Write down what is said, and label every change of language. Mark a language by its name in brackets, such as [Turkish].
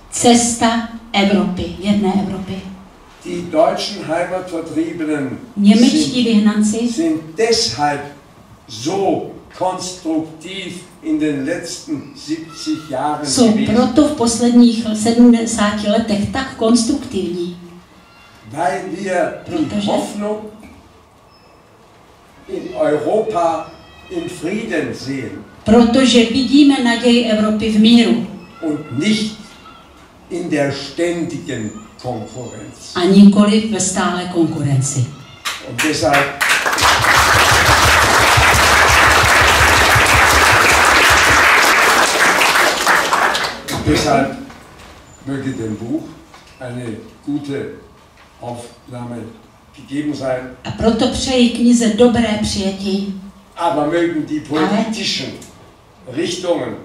[Czech] cesta Evropy, jedné Evropy. [German] Die deutschen Heimatvertriebenen, [Czech] němečtí vyhnanci, [German] sind deshalb so konstruktiv in den letzten 70 Jahren gewesen. [Czech] Jsou proto v posledních 70 letech tak konstruktivní, [German] weil wir die Hoffnung in Europa in Frieden sehen. [Czech] Protože vidíme naději Evropy v míru. [German] Und nicht in der ständigen Konkurrenz. [Czech] A nikoli ve stále konkurenci. [German] Und deshalb deshalb möge dem Buch eine gute Aufnahme gegeben sein. [Czech] A proto přeji knize dobré přijetí. [German] Aber mögen die politischen Richtungen,